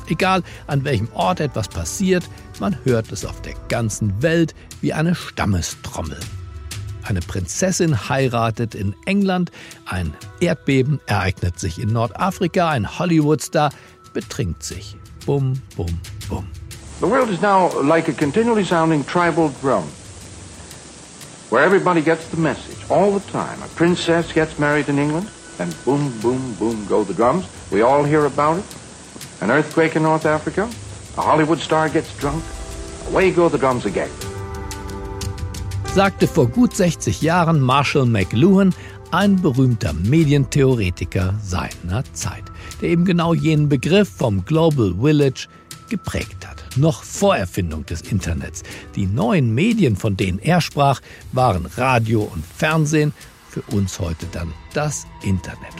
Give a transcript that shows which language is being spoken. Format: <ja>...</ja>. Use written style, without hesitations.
<de>Egal, an welchem Ort etwas passiert, man hört es auf der ganzen Welt wie eine Stammestrommel. Eine Prinzessin heiratet in England, ein Erdbeben ereignet sich in Nordafrika, ein Hollywoodstar betrinkt sich. Bum, bum, bum.</de> <en>The world is now like a continually sounding tribal drum, where everybody gets the message all the time. A princess gets married in England, and boom, boom, boom go the drums. We all hear about it. An earthquake in North Africa, a Hollywood star gets drunk, away go the drums again.</en> <de>Sagte vor gut 60 Jahren Marshall McLuhan, ein berühmter Medientheoretiker seiner Zeit, der eben genau jenen Begriff vom Global Village geprägt hat. Noch vor Erfindung des Internets. Die neuen Medien, von denen er sprach, waren Radio und Fernsehen, für uns heute dann das Internet.</de>